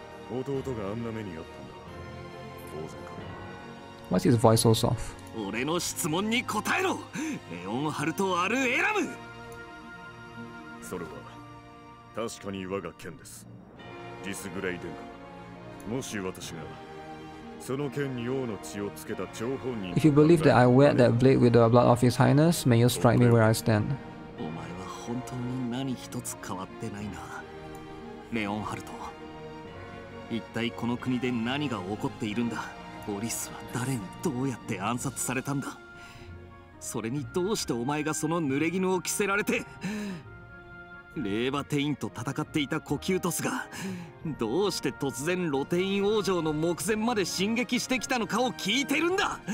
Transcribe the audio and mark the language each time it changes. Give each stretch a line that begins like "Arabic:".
Japanese: 弟があんな目にあったんだ。当然か。
English: Why is his voice so soft?
Japanese: 俺の質問に答えろ! レオンハルトアルエラム! それは、確かに我が剣です。ディスグレイ殿下。もし私が…
English: If you believe that I wear that blade with the blood of His Highness, may you strike me where I stand.
Japanese: お前は本当に何一つ変わってないな、レオンハルト。一体この国で何が起こっているんだ。ボリスは誰にどうやって暗殺されたんだ。それにどうしてお前がその濡れ衣を着せられて、レーバテインと戦っていたコキュートスがどうして突然ロテイン王城の目前まで進撃してきたのかを聞いてるんだ。